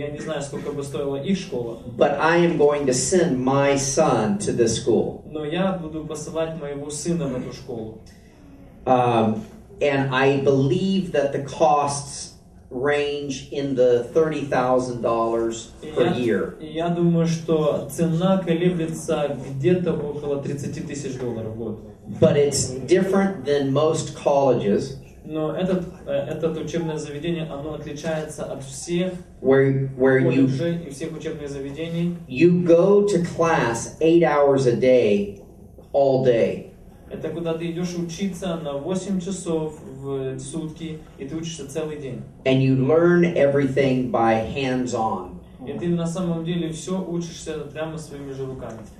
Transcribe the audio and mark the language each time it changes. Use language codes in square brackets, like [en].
[en] But I am going to send my son to this school. And I believe that the costs range in the $30,000 per year. [ru] Я думаю, что цена колеблется где-то около 30 тысяч долларов в год. [en] But it's different than most colleges. [ru] Но этот учебное заведение, оно отличается от всех колледжей и всех учебных заведений. [en] You go to class 8 hours a day, all day. [ru] Это куда ты идешь учиться на 8 часов в сутки, и ты учишься целый день. [en] And you learn everything by hands-on. [ru] И ты на самом деле все учишься прямо своими же руками.